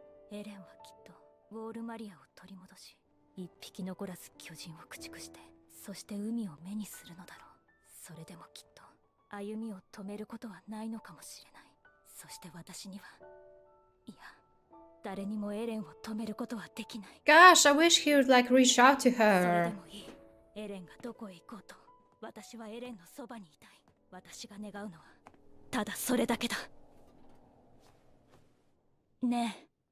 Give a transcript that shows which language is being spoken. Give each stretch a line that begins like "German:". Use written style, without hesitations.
Japanese: たエレンはきっとウォールマリアを取り戻し一匹残らず巨人を駆逐してそして海を目にするのだろうそれでもきっと歩みを止めることはないのかもしれないそして私にはいや誰にもエレンを止めることはできない
English: Gosh, I wish he would like reach out to her
Japanese: それでもいいエレンがどこへ行こうと私はエレンのそばにいたい私が願うのはただそれだけだねえ